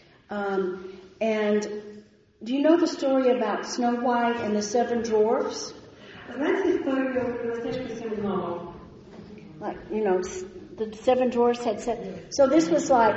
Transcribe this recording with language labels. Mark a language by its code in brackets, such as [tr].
[en] And do you know the story about Snow White and the Seven Dwarfs? [ru] Знаете историю про Снежку и Семь Гномов? [en] Like, you know, the Seven Dwarfs had said, so this was like...